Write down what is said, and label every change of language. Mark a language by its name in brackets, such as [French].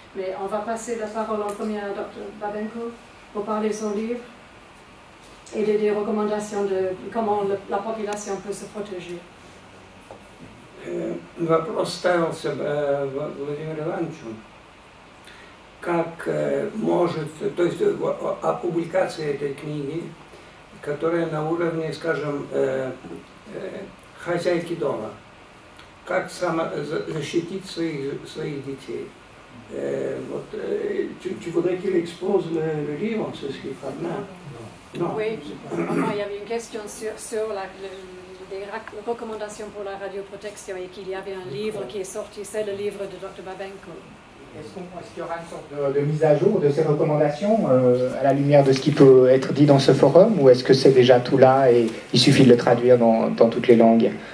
[French] Mais on va passer la parole en premier à Dr Babenko pour parler de son livre et des recommandations de comment la population peut se protéger. [Russian] Вопрос ставился Владимир Ивановичу, как может, то есть о публикации этой книги, которая на уровне, скажем, хозяйки дома, как сама защитить своих детей. [French] Вот, tu voudrais qu'il expose le livre, c'est ce qu'il faut maintenant. Oui, il y avait une question sur la... des recommandations pour la radioprotection et qu'il y avait un livre qui est sorti, c'est le livre de Dr Babenko. Est-ce qu'il y aura une sorte de mise à jour de ces recommandations à la lumière de ce qui peut être dit dans ce forum ou est-ce que c'est déjà tout là et il suffit de le traduire dans toutes les langues?